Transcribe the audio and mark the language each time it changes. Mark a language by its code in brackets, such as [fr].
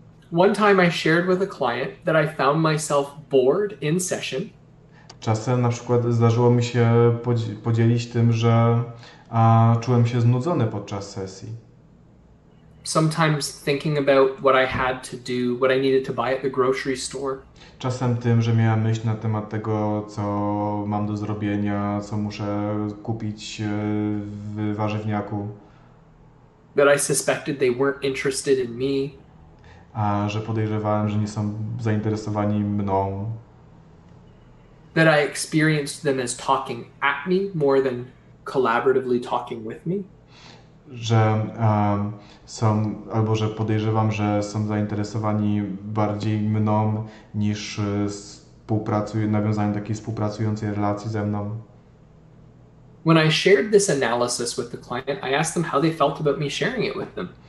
[en] One time I shared with a client that I found myself bored in session. [pl] Czasem na przykład zdarzyło mi się podzielić tym, że czułem się znudzony podczas sesji. [en] Sometimes thinking about what I had to do, what I needed to buy at the grocery store. [pl] Czasem tym, że miałem myśl na temat tego, co mam do zrobienia, co muszę kupić w warzywniaku. [en] That I suspected they weren't interested in me. [pl] A że podejrzewałem, że nie są zainteresowani mną. [en] That I experienced them as talking at me more than collaboratively talking with me. [pl] Że są, albo że podejrzewam, że są zainteresowani bardziej mną niż nawiązaniem takiej współpracującej relacji ze mną. [en] When I shared this analysis with the client, I asked them how they felt about me sharing it with them.